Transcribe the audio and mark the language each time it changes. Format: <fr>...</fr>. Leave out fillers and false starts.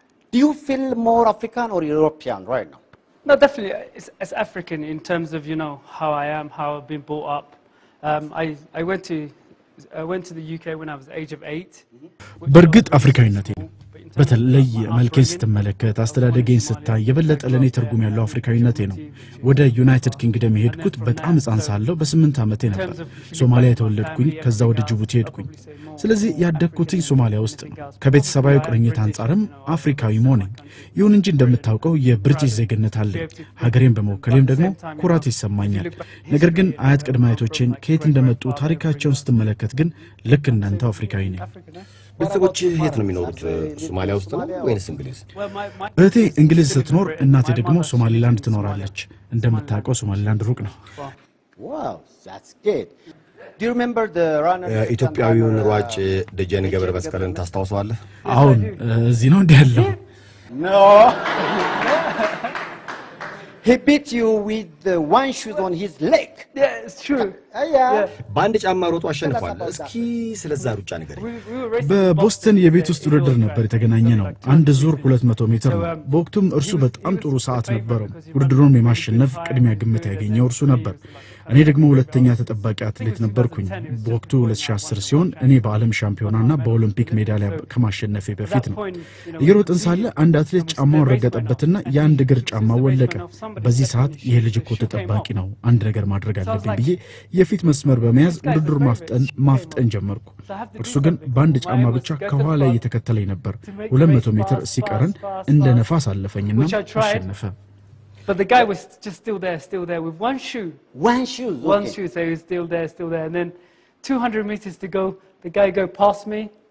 <en>Do you feel more African or European right now? No, definitely. It's African in terms of, you know, how I am, how I've been brought up. I went to the UK when I was age of 8</en> <am>በርግጥ አፍሪካዊነቴ በተለይ መልከን ስትመለከት አስተዳደጌን ስታይ የበለጠ ለኔ ትርጉም ያለው አፍሪካዊነቴ ነው ወደ ዩናይትድ ኪንግደም ሄድኩት በጣም ጻን ሳለው በ8 አመቴ ነበር ሶማሊያ የተወለድኩኝ ከዛ ወደ ጅቡቲ ሄድኩኝ ስለዚህ ያደግኩት ሶማሊያ ውስጥ ነው ከቤተሰባዊ ቅርኝት አንጻርም አፍሪካዊ መሆኔ ይሁን እንጂ እንደምታውቀው የብሪቲሽ ዜግነት አለኝ ሀገሬን በመወከሌም ደግሞ ኩራት ይሰማኛል ነገር ግን አያት ቅድማያቶቼን ከየት እንደመጡ ታሪካቸውን ስትመለከት ግን ልክ እንደንተ አፍሪካዊ ነኝ ቤተሰቦቼ የት ነው የሚኖሩት ሶማሊያ ውስጥ ነው ወይስ እንግሊዝ እህቴ እንግሊዝ ስትኖር እናቴ ደግሞ ሶማሊላንድ ትኖራለች እንደምታውቀው ሶማሊላንድ ሩቅ ነው</am> <en>ዋው ዛትስ ጉድ Do you remember the runner?</en> <am>ኢትዮጵያዊውን ሯጭ ደጀን ገብረ መስቀልን ታስታውሳለህ? አሁን እዚህ ነው እንደያለው።</am> <en>No. He beat you with one shoe on his leg. Yes, true. አያ</en> <am>ባንድ ጫማ ሮጦ አሸንፏል። እስኪ ስለዛ ሩጫ ነገር። በቦስተን የቤት ውስጥ ውድድር ነበር የተገናኘ ነው። አንድ ዙር 200 ሜትር ነው። በወቅቱም እርሱ በጣም ጥሩ ሰዓት ነበረው። ውድድሩን የማሸነፍ ቅድሚያ ግምት ያገኘው እርሱ ነበር። እኔ ደግሞ ሁለተኛ ተጠባቂ አትሌት ነበርኩኝ። በወቅቱ 2010 ሲሆን እኔ በአለም ሻምፒዮናና በኦሎምፒክ ሜዳሊያ ከማሸነፌ በፊት ነው። እየሮጥን ሳለ አንድ አትሌት ጫማውን ረገጠበትና ያን እግር ጫማ ወለቀ። በዚህ ሰዓት ይሄ ልጅ እኮ ተጠባቂ ነው። አንድ ነገር ማድረግ አለብኝ ብዬ የፊት መስመር በመያዝ ውድድር ማፍጠን ጀመርኩ። እርሱ ግን ባንድ ጫማ ብቻ ከኋላ እየተከተለኝ ነበር። 200 ሜትር ሲቀረን እንደ ነፋስ አለፈኝና አሸነፈ።</am> <en>But the guy was just still there with one shoe. One shoe. Okay. One shoe, so he was still there. And then 200 meters to go, the guy go past me.</en>